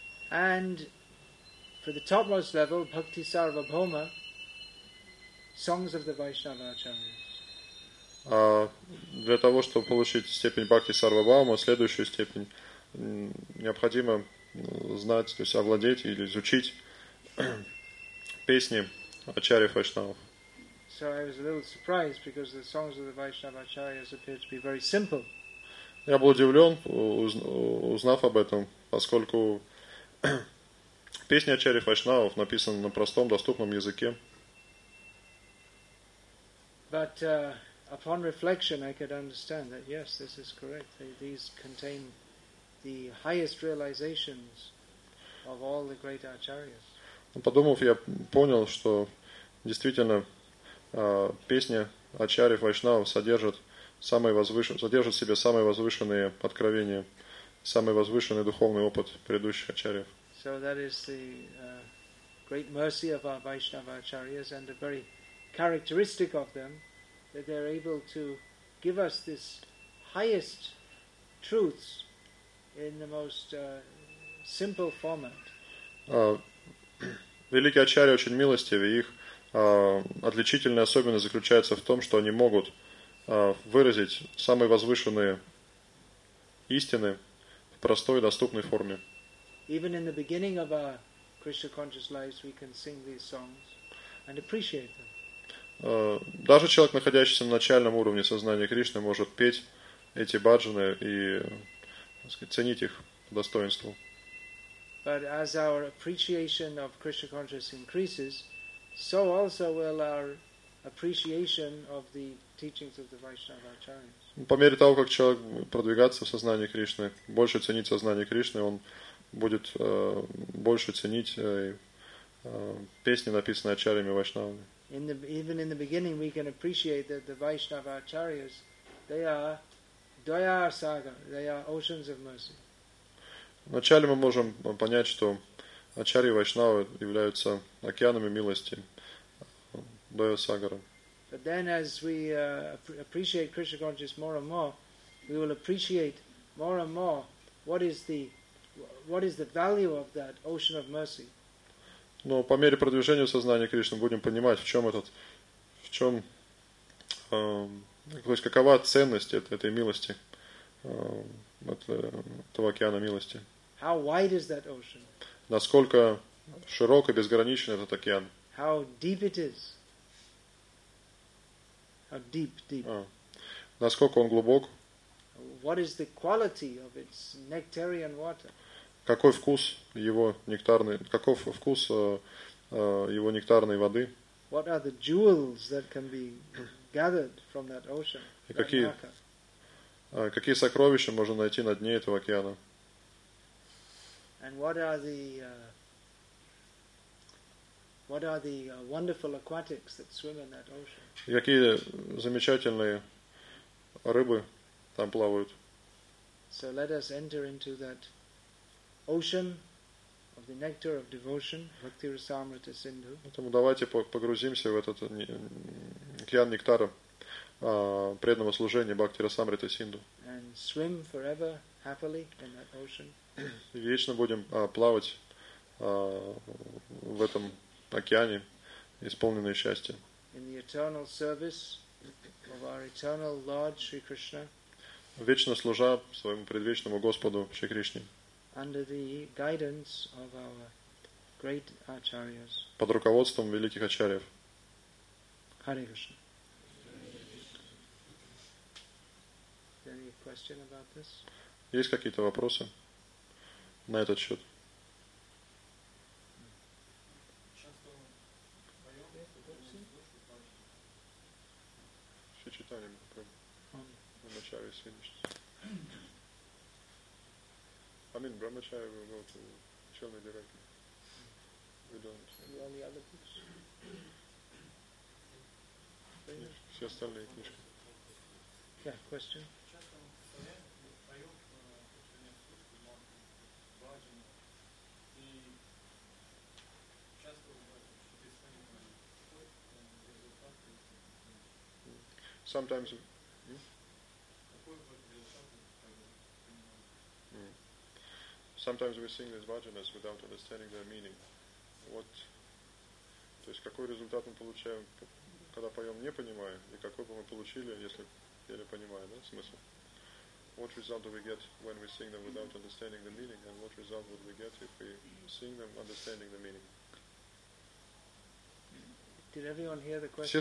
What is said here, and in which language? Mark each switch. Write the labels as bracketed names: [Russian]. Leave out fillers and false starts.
[English] And for the topmost level, Bhakti Sarvabhauma, songs of the Vaishnava Acharyas. [Russian] А для того, чтобы получить степень Бхакти Сарвабхаума, следующую степень, необходимо знать, то есть овладеть или изучить песни Ачарьи Вайшнавов. [English] So I was a little surprised because the songs of the Vaishnava Acharyas appear to be very simple. [Russian] Я был удивлен, узнав об этом, поскольку песни Ачарьи Вайшнавов написаны на простом, доступном языке. [English] But upon reflection, I could understand that yes, this is correct. These contain the highest realizations of all the great acharyas. [Russian] Подумав, я понял, что действительно песня Ачарьев Вайшнавов содержит в себе самые возвышенные откровения, самый возвышенный духовный опыт предыдущих ачарьев. [English] So that is the great mercy of our Vaishnava acharyas and a very characteristic of them. That they're able to give us this highest truths in the most simple format. [Russian] Великие ачарьи очень милостивы. Их отличительная особенность заключается в том, что они могут выразить самые возвышенные истины в простой доступной форме. [English] Even in the beginning of our Krishna conscious lives, we can sing these songs and appreciate them. [Russian] Даже человек, находящийся на начальном уровне сознания Кришны, может петь эти баджаны и, так сказать, ценить их по достоинству. [English] But as our appreciation of Krishna consciousness increases, so also will our appreciation of the teachings of the Vaishnava acharyas. [Russian] По мере того, как человек продвигается в сознании Кришны, больше ценить сознание Кришны, он будет больше ценить песни, написанные ачарьями вайшнавами. [English] Even in the beginning, we can appreciate that the Vaishnava acharyas, they are Daya Sagar, they are oceans of mercy. [Russian] Вначале мы можем понять, что ачарьи вайшнавы являются океанами милости, Daya Sagar. [English] But then, as we appreciate Krishna consciousness more and more, we will appreciate more and more what is the value of that ocean of mercy. [Russian] Но по мере продвижения сознания Кришны будем понимать, какова ценность этой милости, этого океана милости. [English] How wide is that ocean? [Russian] Насколько широк и безграничен этот океан? [English] How deep it is? How deep? [Russian] Насколько он глубок? [English] What is the quality of its nectarian water? [Russian] какой вкус его нектарной, каков вкус его нектарной воды? [English] What are the jewels that can be gathered from that ocean? [Russian] И какие сокровища можно найти на дне этого океана? [English] And what are the wonderful aquatics that swim in that ocean? [Russian] И какие замечательные рыбы там плавают? [English] So let us enter into that ocean of the nectar of devotion, Bhakti Rasamrita Sindhu. [Russian] Поэтому давайте погрузимся в этот океан нектара преданного служения Бхакти Расамрита Синдху. [English] And swim forever happily in that ocean. [Russian] И вечно будем плавать в этом океане, исполненные счастья. [English] In the eternal service of our eternal Lord Sri Krishna. [Russian] Вечно служа своему предвечному Господу Шри Кришне. [English] Under the guidance of our great acharyas. [Russian] Под руководством великих ачарьев. [English] Hare Krishna. Any question about this? [Russian] Есть какие-то вопросы на этот счет? Все читали мы в начале сегодняшнего. [English] I mean, Brahmacharya will go to Chelna directly. We don't. And all the other books? [Russian] Все остальные книжки. [English] Yeah, question? Sometimes... Sometimes we sing these bhajanas without understanding their meaning. What? [Russian] То есть какой результат мы получаем, когда поем, не понимая, и какой бы мы получили, если пели, понимая, да, смысл? [English] What result do we get when we sing them without understanding the meaning, and what result would we get if we sing them understanding the meaning? Did everyone hear the question?